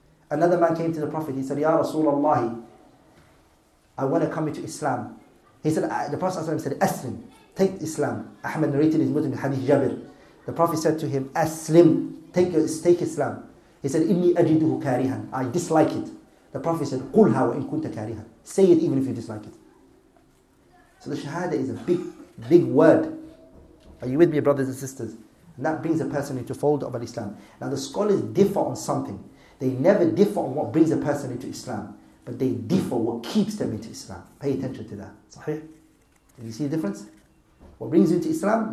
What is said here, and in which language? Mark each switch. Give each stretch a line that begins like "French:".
English: Another man came to the Prophet. He said, Ya Rasulullah, I want to come into Islam. He said, the Prophet said, Aslim. Take Islam. Ahmed narrated his Muslim hadith Jabir. The Prophet said to him, Aslim. Take Islam. He said,
Arabic: Inni ajiduhu karihan.
English: I dislike it.
Arabic: The Prophet said, قُلْهَا وَإِن كُنْتَ كَارِهًا.
English: Say it even if you dislike it. So the shahada is a big, big word. Are you with me, brothers and sisters? And that brings a person into fold of Islam. Now the scholars differ on something. They never differ on what brings a person into Islam. But they differ what keeps them into Islam. Pay attention to that. Sahih? Did you see the difference? What brings you into Islam?